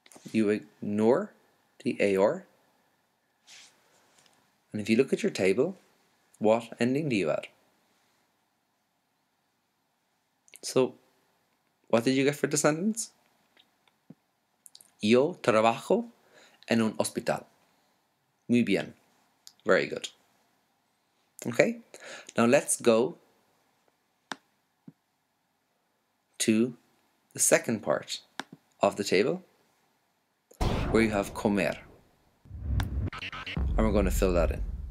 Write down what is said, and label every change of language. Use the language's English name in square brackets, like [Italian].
[English] you ignore the AR. And if you look at your table, what ending do you add? So, what did you get for descendants? [Spanish] Yo trabajo en un hospital. Muy bien. [English] Very good. Okay, now let's go to the second part of the table where you have comer. And we're going to fill that in.